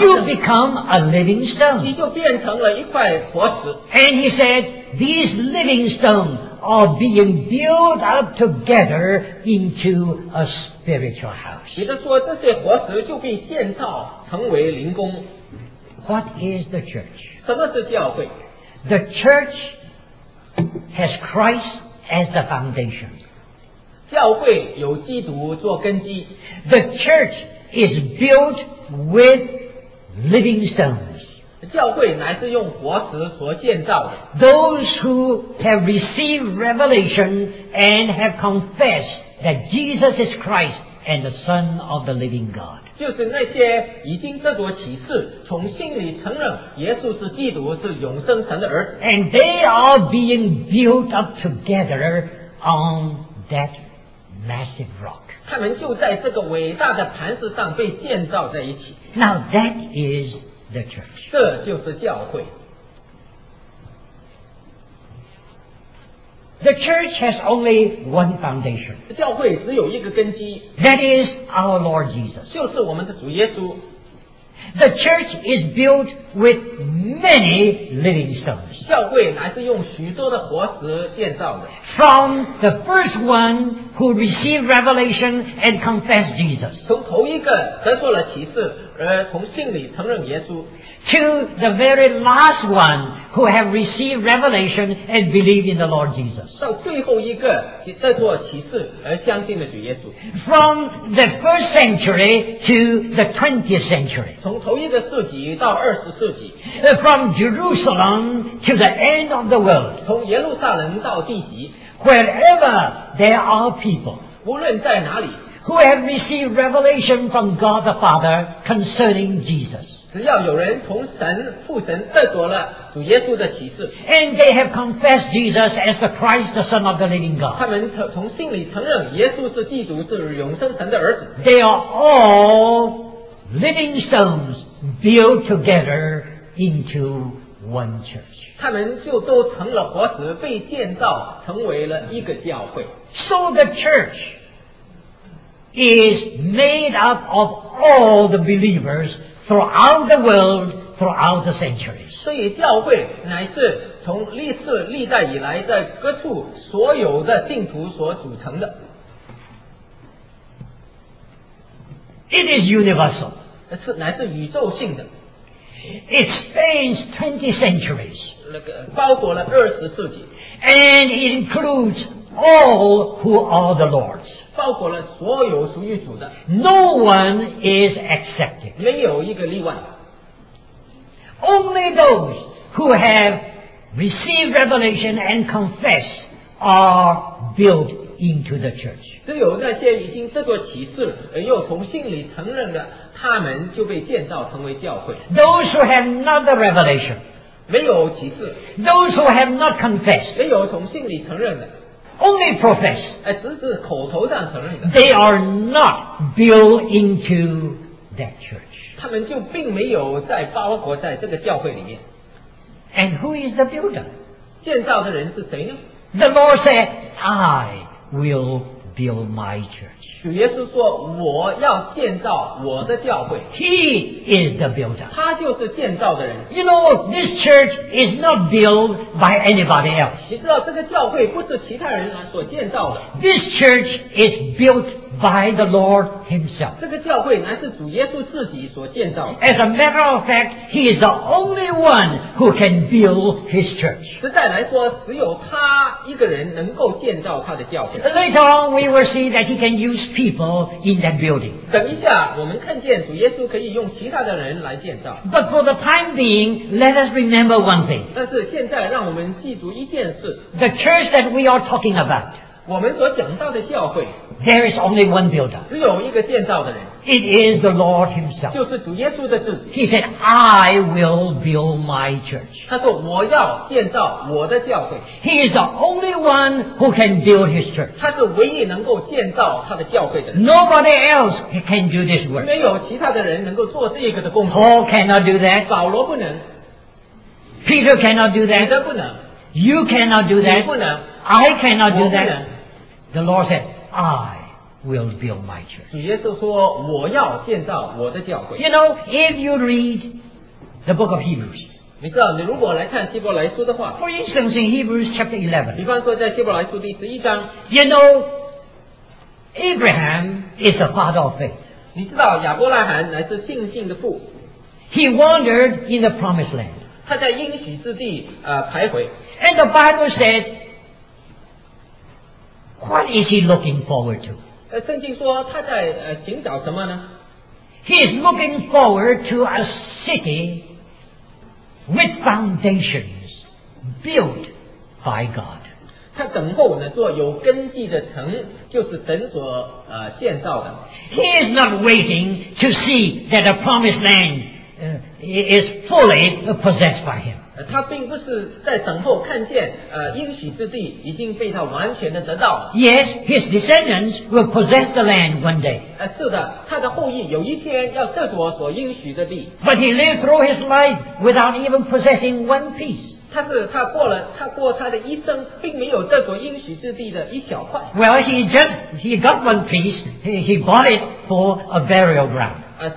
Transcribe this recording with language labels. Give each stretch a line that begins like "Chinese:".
English: you become a living stone.
Chinese: 你就变成了一块活石。
English: And he said, these living stones,are being built up together into a spiritual house.
Chinese: 彼得说这些活石就被建造成为灵宫。
English: What is the church?
Chinese: 什么是教会？
English: The church has Christ as the foundation.
Chinese: 教会有基督做根基。
English: The church is built with living stones.
Chinese: 教会乃是用活石所建造的。
English: Those who have received revelation and have confessed that Jesus is Christ and the Son of the living God.
Chinese: 就是那些已经得到启示，从心里承认耶稣是基督，是永生神的儿子。
English: And they are being built up together on that massive rock.
Chinese: 他们就在这个伟大的磐石上被建造在一起。
English: Now that is the church.
Chinese: 这就是教会。
English: The church has only one foundation.
Chinese: 教会只有一个根基。
English: That is our Lord Jesus.
Chinese: 就是我们的主耶稣。
English: The church is built with many living stones.
Chinese: 教会乃是用许多的活石建造的。
English: From the first one who received revelation and confessed Jesus.
Chinese: 从头一个得到了启示，而从信里承认耶稣。
English: To the very last one who have received revelation and believed in the Lord Jesus.
Chinese: 到最后一个得到启示而相信了主耶稣。
English: From the first century to the 20th century.
Chinese: 从头一个世纪到二十世纪。
English: From Jerusalem to the end of the world.
Chinese: 从耶路撒冷到地极。
English: Wherever there are people.
Chinese: 无论在哪里。
English: Who have received revelation from God the Father concerning Jesus.
Chinese: 只要有人从神父神得着了主耶稣的启示。
English: And they have confessed Jesus as the Christ, the Son of the living God.
Chinese: 他们从心里承认耶稣是基督，是永生神的儿子。
English: They are all living stones built together into one church.
Chinese: 他们就都成了活石，被建造成为了一个教会。
English: So the church is made up of all the believers throughout the world, throughout the centuries.
Chinese: 所以教会乃是从历世历代以来在各处所有的信徒所组成的。
English: It is universal.
Chinese: 是乃是宇宙性的。
English: It spans 20 centuries.
Chinese: 包括了二十世纪。
English: And it includes all who are the Lord's.
Chinese: 包括了所有属于主的。
English: No one is accepted.
Chinese: 没有一个例外。
English: Only those who have received revelation and confess are built into the church.
Chinese: 只有那些已经受过启示而又从心里承认的，他们就被建造成为教会。
English: Those who have not the revelation,
Chinese: 没有启示。
English: Those who have not confessed,
Chinese: 没有从心里承认的。
English: Only profess,
Chinese: 只是口头上承认的。
English: They are not built into that church.
Chinese: 他们就并没有在包裹在这个教会里面。
English: And who is the builder?
Chinese: 建造的人是谁呢？
English: The Lord said, I will build my church.
Chinese: 主耶稣说，我要建造我的教会。
English: He is the builder.
Chinese: 他就是建造的人。
English: You know, this church is not built by anybody else.
Chinese: 你知道，这个教会不是其他人所建造的。
English: This church is built by the Lord himself.
Chinese: 这个教会乃是主耶稣自己所建造的。
English: As a matter of fact, he is the only one who can build his church.
Chinese: 实在来说，只有他一个人能够建造他的教会。
English: Later on, we will see that he can use people in that building.
Chinese: 等一下，我们看见主耶稣可以用其他的人来建造。
English: But for the time being, let us remember one thing.
Chinese: 但是现在让我们记住一件事。
English: The church that we are talking about,
Chinese: 我们所讲到的教会，
English: There is only one builder.
Chinese: 只有一个建造的人。
English: It is the Lord himself.
Chinese: 就是主耶稣的自己。
English: He said, I will build my church.
Chinese: 他说，我要建造我的教会。
English: He is the only one who can build his church.
Chinese: 他是唯一能够建造他的教会的人。
English: Nobody else can do this work.
Chinese: 没有其他的人能够做这个的工作。
English: Paul cannot do that.
Chinese: 保罗不能。
English: Peter cannot do that.
Chinese: 彼得不能。
English: You cannot do that.
Chinese: 你不能。
English: I cannot do that.
Chinese: 我不能。
English: The Lord said,I will build my church.
Chinese: 主耶稣说，我要建造我的教会。
English: You know, if you read the book of Hebrews,
Chinese: 你知道，你如果来看希伯来书的话，
English: for instance, in Hebrews chapter 11,
Chinese: 比方说在希伯来书第十一章，
English: you know, Abraham is the father of faith.
Chinese: 你知道，亚伯拉罕乃是信心的父。
English: He wandered in the promised land.
Chinese: 他在应许之地徘徊。
English: And the Bible said,What is he looking forward to?
Chinese: 圣经说他在寻找什么呢？
English: He is looking forward to a city with foundations built by God.
Chinese: 他等候呢做有根基的城，就是神所建造的。
English: He is not waiting to see that the promised land is fully possessed by him.
Chinese: 他并不是在等候看见应许之地已经被他完全的得到了。
English: Yes, his descendants will possess the land one day.
Chinese: 是的，他的后裔有一天要得着所应许的地。
English: But he lived through his life without even possessing one piece.
Chinese: 他过他的一生并没有得着应许之地的一小块。
English: Well, he got one piece. He bought it for a burial ground.